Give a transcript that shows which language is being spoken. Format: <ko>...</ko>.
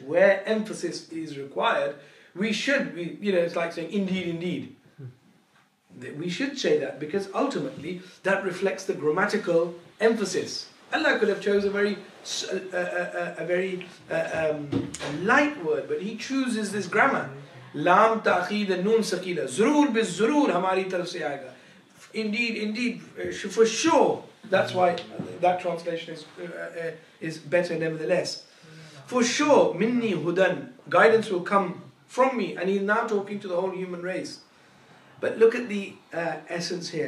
<en>Where emphasis is required, we should, it's like saying, indeed, indeed. We should say that because ultimately that reflects the grammatical emphasis. Allah could have chosen a very light word, but He chooses this grammar.</en> <ar>Lam ta'khid an-nun saqila.</ar> <ur>ضرور بس ضرور ہماری طرف سے آئے گا.</ur> <en>Indeed, indeed, for sure. That's why that translation is better nevertheless. For sure,</en> <ar>minni hudan,</ar> <en>guidance will come from me. And he's now talking to the whole human race. But look at the essence here.</en>